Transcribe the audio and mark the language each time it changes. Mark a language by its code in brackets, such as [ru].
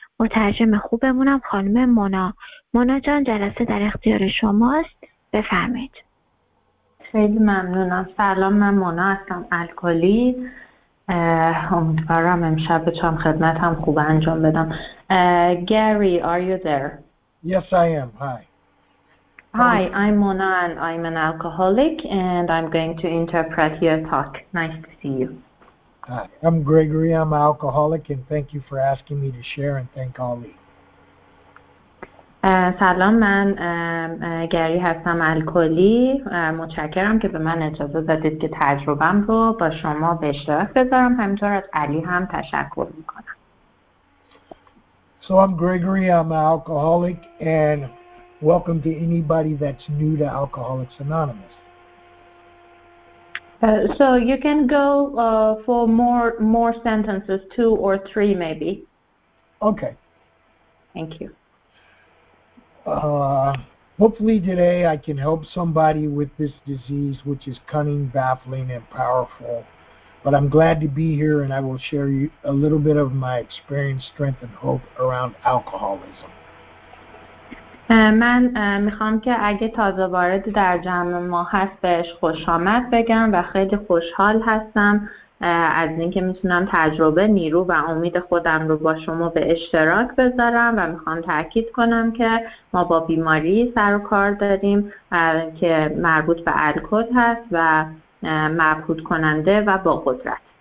[fa] مترجم خوبمونم خانم مونا. مونا جان، جلسه در اختیار شماست، بفرمایید. خیلی ممنونم. سلام، من مونا هستم، الکلی. امیدوارم امشب بتونم خدمتم خوب انجام بدم. [en] Gary, are you there? Yes, I am. Hi. Hi, I'm Mona and I'm an alcoholic and I'm going to interpret your talk. Nice to see you. Hi, I'm Gregory. I'm an alcoholic and thank you for asking me to share and thank Ali. [fa] سلام، من گری هستم، الکلی. متشکرم که به من اجازه دادید که تجربم رو با شما به اشتراک بذارم. همینطور از علی هم تشکر میکنم. [en] So I'm Gregory, I'm an alcoholic and welcome to anybody that's new to Alcoholics Anonymous. So you can go for more sentences, two or three maybe. Okay. Thank you. Hopefully today I can help somebody with this disease, which is cunning, baffling, and powerful. But I'm glad to be here, and I will share you a little bit of my experience, strength, and hope around alcoholism. [fa] من میخوام که اگه تازه وارد در جمع ما هست بهش خوش آمد بگم و خیلی خوشحال هستم از اینکه میتونم تجربه، نیرو و امید خودم رو با شما به اشتراک بذارم و میخوام تاکید کنم که ما با بیماری سر و کار داریم که مربوط به الکل هست و مبهوت کننده و با قدرت.